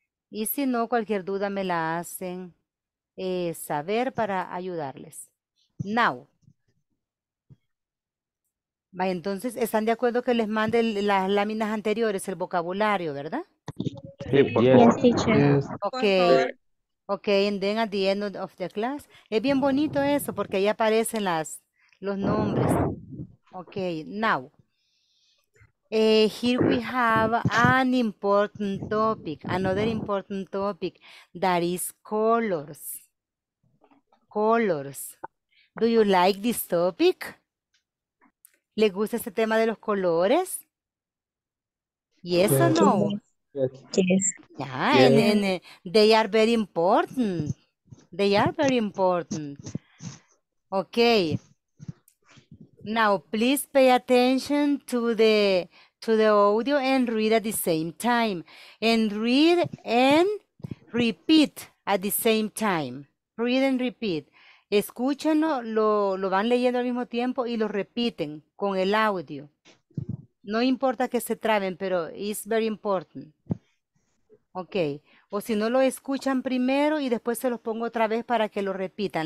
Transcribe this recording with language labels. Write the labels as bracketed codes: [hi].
[es] Y si no, cualquier duda me la hacen saber para ayudarles. Now. Bye, entonces, ¿están de acuerdo que les mande las láminas anteriores, el vocabulario, verdad? [en] Sí, yes, teacher. Ok, and then at the end of the class. [es] Es bien bonito eso porque ahí aparecen los nombres. [en] Ok, now, here we have an important topic, another important topic, that is colors. Colors. Do you like this topic? [es] ¿Le gusta este tema de los colores? [en] Yes or no? Yes. Yeah, yes. And they are very important. They are very important. Ok. Now, please pay attention to the audio and read at the same time. And read and repeat at the same time. Read and repeat. [es] Escúchenlo, lo van leyendo al mismo tiempo y lo repiten con el audio. No importa que se traben, pero [en] it's very important. [es] Ok. O si no, lo escuchan primero y después se los pongo otra vez para que lo repitan.